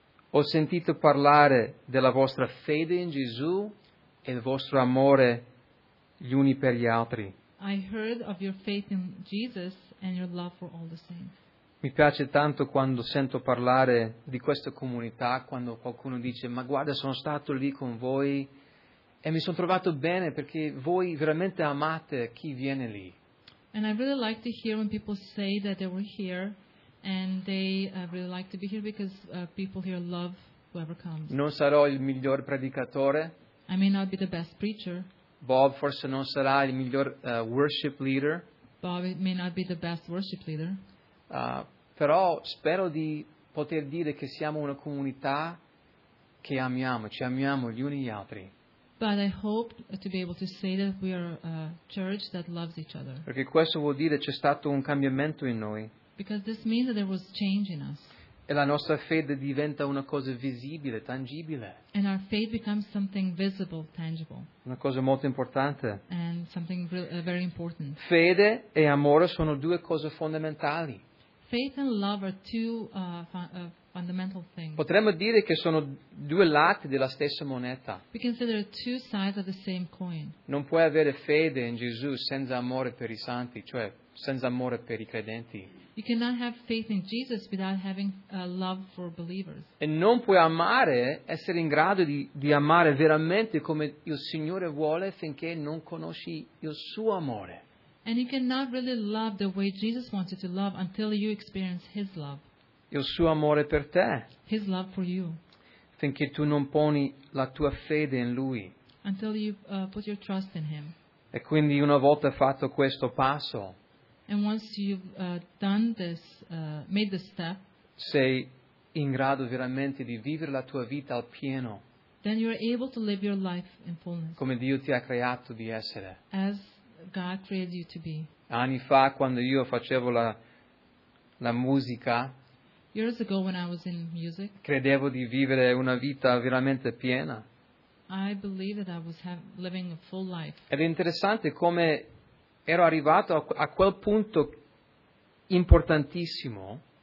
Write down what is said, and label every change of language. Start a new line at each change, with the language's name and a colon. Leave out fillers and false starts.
Italian: Ho sentito parlare della vostra fede in Gesù e il vostro amore gli uni per gli altri.
English: I heard of your faith in Jesus and your love for all the saints.
Italian: Mi piace tanto quando sento parlare di questa comunità, quando qualcuno dice, ma guarda, sono stato lì con voi e mi sono trovato bene perché voi veramente amate chi viene lì.
English: And I really like to hear when people say that they were here and they really like to be here because people here love whoever comes.
Italian: Non sarò il miglior predicatore.
English: I may not be the best preacher.
Italian: Bob forse non sarà il miglior worship leader.
English: Bob may not be the best worship leader.
Italian: Però spero di poter dire che siamo una comunità che amiamo, ci amiamo gli uni gli altri.
English: But I hope to be able to say that we are a church that loves each other.
Italian: Perché questo vuol dire c'è stato un cambiamento in noi.
English: Because this means that there was change in us.
Italian: E la nostra fede diventa una cosa visibile, tangibile.
English: And our faith becomes something visible, tangible.
Italian: Una cosa molto importante.
English: And something very important.
Italian: Fede e amore sono due cose fondamentali.
English: Faith and love are two fundamental things.
Italian: Potremmo dire che sono due lati della stessa moneta.
English: We can say there are two sides of the same coin.
Italian: Non puoi avere fede in Gesù senza amore per i santi, cioè senza amore per i credenti.
English: You cannot have faith in Jesus without having love for believers.
Italian: E non puoi amare, essere in grado di amare veramente come il Signore vuole finché non conosci il suo amore.
English: And you cannot really love the way Jesus wants you to love until you experience His love.
Italian: Il suo amore per te.
English: His love for you.
Italian: Finché tu non poni la tua fede in Lui.
English: Until you put your trust in Him.
Italian: E quindi una volta fatto questo passo.
English: And once you've done this, made this step.
Italian: Sei in grado veramente di vivere la tua vita al pieno.
English: Then you are able to live your life in fullness.
Italian: Come Dio ti ha creato di essere.
English: As God created you to be.
Italian: Anni fa, quando io facevo la musica,
English: years ago when I was in music,
Italian: credevo di vivere una vita veramente piena.
English: I believed that I was living a full life.
Italian: Ed è interessante come ero arrivato a quel punto importantissimo.